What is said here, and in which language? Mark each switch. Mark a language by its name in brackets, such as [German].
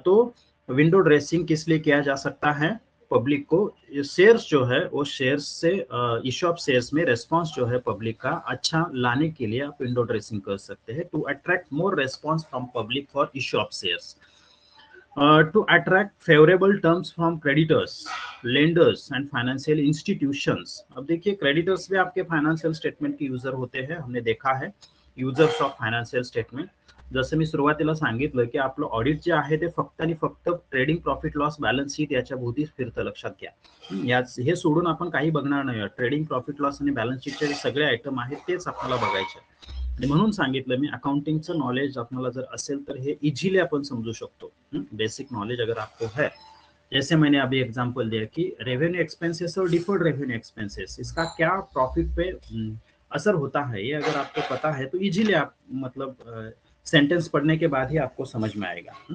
[Hindi] तो window dressing किस लिए किया जा सकता है, पब्लिक को शेयर्स जो है वो शेयर्स से इशू ऑफ शेयर्स में रेस्पॉन्स जो है पब्लिक का अच्छा लाने के लिए आप विंडो ड्रेसिंग कर सकते हैं, [English] To attract more response from public for issue of shares, to attract favourable terms from creditors lenders and financial institutions. [Hindi] अब देखिए क्रेडिटर्स भी आपके फाइनेंशियल स्टेटमेंट के यूजर होते हैं, हमने देखा है यूजर्स ऑफ फाइनेंशियल स्टेटमेंट। [Marathi] जसं मी सुरुवातीला सांगितलं की आपलं ऑडिट जे आहे ते फक्त आणि फक्त trading profit loss balance sheet याच्याभोवती फिरतं, लक्षात घ्या। हे सोडून आपण काही बघणार नाही, ट्रेडिंग प्रॉफिट लॉस आणि बॅलन्स शीटचे जे सगळे आयटम आहेत तेच आपल्याला बघायचे, आणि म्हणून सांगितलं मी अकाउंटिंगचं नॉलेज आपल्याला जर असेल तर हे इझिली आपण समजू शकतो। [Hindi] बेसिक नॉलेज अगर आपको है, जैसे मैंने अभी एग्जाम्पल दिया कि रेवेन्यू एक्सपेंसेस और डिफर्ड रेवेन्यू एक्सपेंसेस इसका क्या प्रॉफिट पे असर होता है, ये अगर आपको पता है तो इजीली आप मतलब सेंटेंस पढ़ने के बाद ही आपको समझ में आएगा।